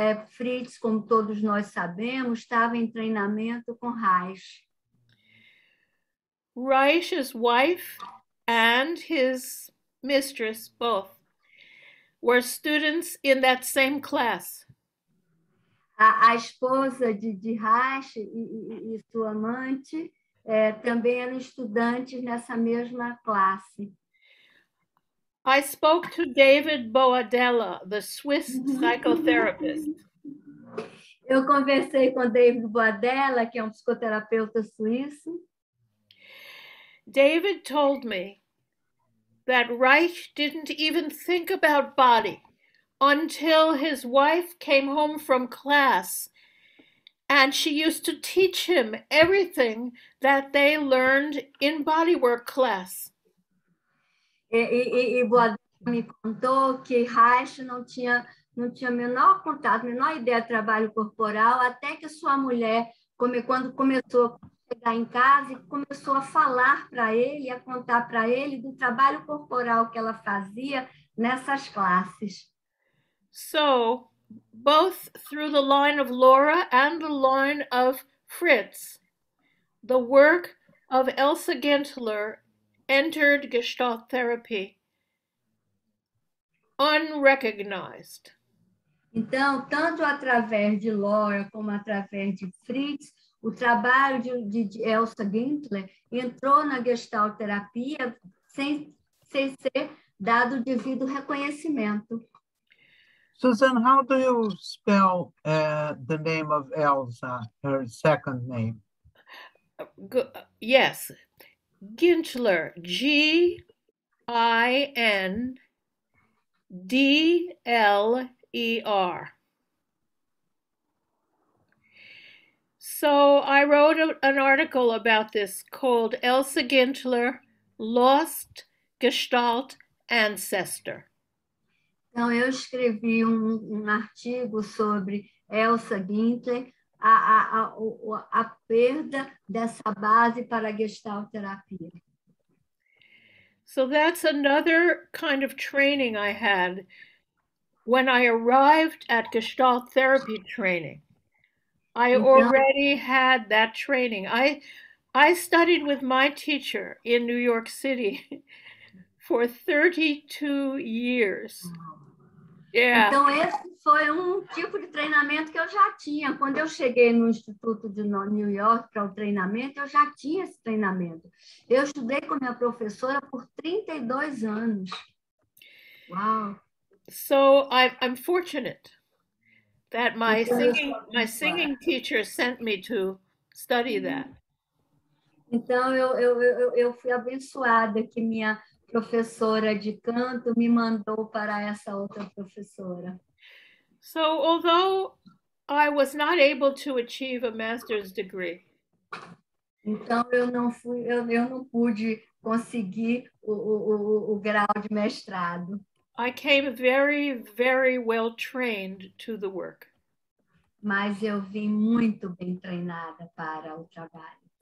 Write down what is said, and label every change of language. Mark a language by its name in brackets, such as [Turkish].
[Portuguese] Fritz, como todos nós sabemos, estava em treinamento com Reich. [English] Reich's wife and his mistress, both, were students in that same class. [Portuguese] A esposa de Reich e sua amante também eram estudantes nessa mesma classe. [English] I spoke to David Boadella, the Swiss psychotherapist. [Portuguese] Eu conversei com David Boadella, que é um psicoterapeuta suíço. [English] David told me that Reich didn't even think about body until his wife came home from class and she used to teach him everything that they learned in bodywork class. [Portuguese] E me contou que Reich não tinha menor contato, menor ideia de trabalho corporal, até que sua mulher, quando começou a chegar em casa, começou a falar para ele, a contar para ele do trabalho corporal que ela fazia nessas classes. [English] So, both through the line of Laura and the line of Fritz, the work of Elsa Gentler entered Gestalt therapy unrecognized. [Portuguese] Então, tanto através de Laura como através de Fritz, o trabalho de Elsa Gentler entrou na Gestalt terapia sem ser dado devido reconhecimento. [English] Susan, how do you spell the name of Elsa, her second name? Yes, Gintler, G-I-N-D-L-E-R. So I wrote an article about this called Elsa Gintler, Lost Gestalt Ancestor. [Portuguese] Então, eu escrevi um artigo sobre Elsa Gintler, a perda dessa base para a Gestalt terapia. [English] So that's another kind of training I had when I arrived at Gestalt therapy training. I already had that training. I studied with my teacher in New York City for 32 years. Yeah. [Portuguese] Então, esse foi um tipo de treinamento que eu já tinha. Quando eu cheguei no Instituto de New York para o treinamento, eu já tinha esse treinamento. Eu estudei com minha professora por 32 anos. Uau! [English] So, I'm fortunate that my singing teacher sent me to study that. [Portuguese] Então, eu fui abençoada que minha professora de canto me mandou para essa outra professora. [English] So, although I was not able to achieve a master's degree. [Portuguese] Então, eu não pude conseguir o grau de mestrado. [English] I came very, very well trained to the work. [Portuguese] Mas eu vim muito bem treinada para o trabalho.